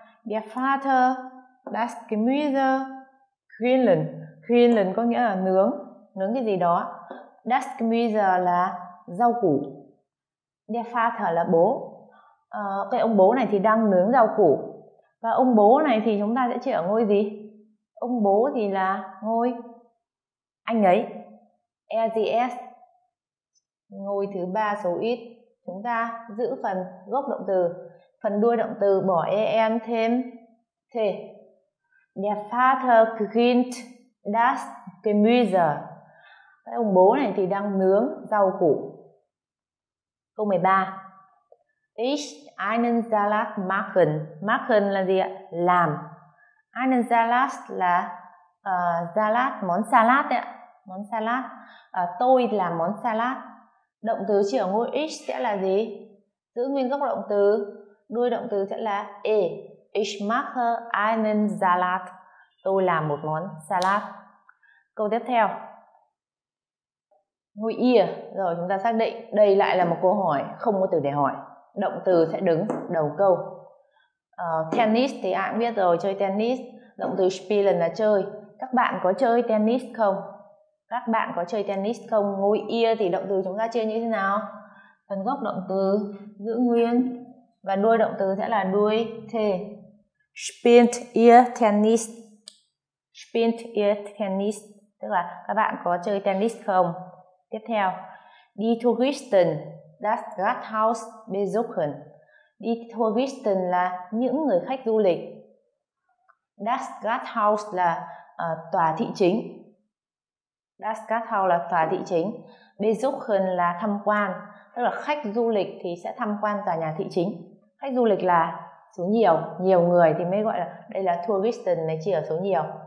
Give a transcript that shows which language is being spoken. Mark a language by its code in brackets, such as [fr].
[de] Der Vater das Gemüse grillen. [vi] Grillen có nghĩa là nướng. Nướng cái gì đó. [de] Das Gemüse [vi] là rau củ. [de] Der Vater [vi] là bố. Cái ông bố này thì đang nướng rau củ. Và ông bố này thì chúng ta sẽ chia ở ngôi gì? Ông bố thì là ngôi anh ấy. ETS. Ngôi thứ ba số ít. Chúng ta giữ phần gốc động từ. Phần đuôi động từ bỏ em thêm thể. [de] Der Vater grillt das Gemüse. [vi] Cái ông bố này thì đang nướng rau củ. Câu 13. [de] Ich einen Salat machen. [vi] Machen là gì ạ? Làm. [de] einen Salat [vi] là salad, món salad đấy ạ. Món salad. Tôi làm món salad. Động từ chỉ ở ngôi ich sẽ là gì? Giữ nguyên gốc động từ. Đuôi động từ sẽ là [de] ich mache einen Salat. [vi] Tôi làm một món salad. Câu tiếp theo. Ngôi ihr. Rồi chúng ta xác định đây lại là một câu hỏi, không có từ để hỏi. Động từ sẽ đứng đầu câu. Tennis thì ai cũng biết rồi, chơi tennis. Động từ spielen là chơi. Các bạn có chơi tennis không? Các bạn có chơi tennis không? Ngôi ihr thì động từ chúng ta chia như thế nào? Phần gốc động từ giữ nguyên. Và đuôi động từ sẽ là đuôi thể. [de] Spielt ihr tennis? Spielt ihr tennis? [vi] Tức là các bạn có chơi tennis không? Tiếp theo. [de] Die Touristen das Rathaus besuchen. Die Touristen [vi] là những người khách du lịch. [de] Das Rathaus [vi] là tòa thị chính. [de] Das Rathaus [vi] là tòa thị chính. Besuchen là tham quan. Tức là khách du lịch thì sẽ tham quan tòa nhà thị chính. Khách du lịch là số nhiều, nhiều người thì mới gọi là, đây là Touristen này chỉ ở số nhiều.